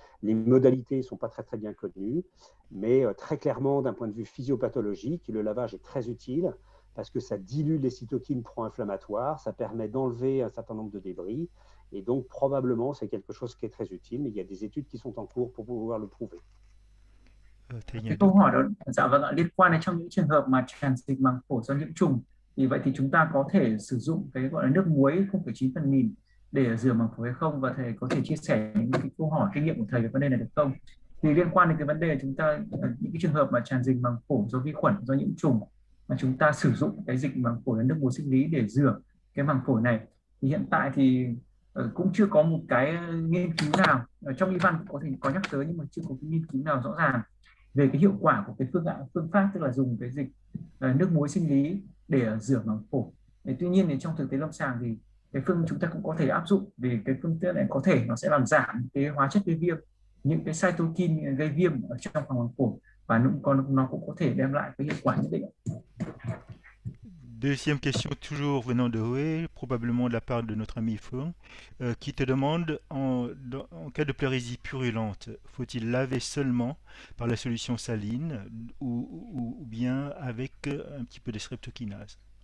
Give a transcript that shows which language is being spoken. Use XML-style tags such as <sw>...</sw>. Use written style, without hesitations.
<fr>Les modalités ne sont pas très, très bien connues, mais très clairement, d'un point de vue physiopathologique, le lavage est très utile parce que ça dilue les cytokines pro-inflammatoires, ça permet d'enlever un certain nombre de débris, et donc probablement c'est quelque chose qui est très utile, mais il y a des études qui sont en cours pour pouvoir le prouver.</fr> <vi>Thầy nhờ Đức. câu hỏi đó, dạ vâng ạ, liên quan đến trong những trường hợp mà tràn dịch màng phổi do nhiễm trùng Vì vậy thì chúng ta có thể sử dụng cái gọi là nước muối 0,9 phần nghìn để rửa màng phổi hay không, và thầy có thể chia sẻ những cái câu hỏi kinh nghiệm của thầy về vấn đề này được không? Thì liên quan đến cái vấn đề chúng ta những cái trường hợp mà tràn dịch màng phổi do vi khuẩn, do nhiễm trùng mà chúng ta sử dụng cái dịch màng phổi là nước muối sinh lý để rửa cái màng phổi này, thì hiện tại thì cũng chưa có một cái nghiên cứu nào trong y văn có thể có nhắc tới, nhưng mà chưa có cái nghiên cứu nào rõ ràng về cái hiệu quả của cái phương pháp tức là dùng cái dịch nước muối sinh lý để rửa màng phổi. Tuy nhiên thì trong thực tế lâm sàng thì cái phương chúng ta cũng có thể áp dụng, vì cái phương tiện này có thể nó sẽ làm giảm cái hóa chất gây viêm, những cái cytokine gây viêm ở trong màng phổi, và nó cũng có thể đem lại cái hiệu quả nhất định.</vi> <fr>Deuxième question, toujours venant de Rouen, probablement de la part de notre ami Fong, qui te demande en cas de pleurésie purulente, faut-il laver seulement par la solution saline ou bien avec un petit peu de streptokinase?</fr>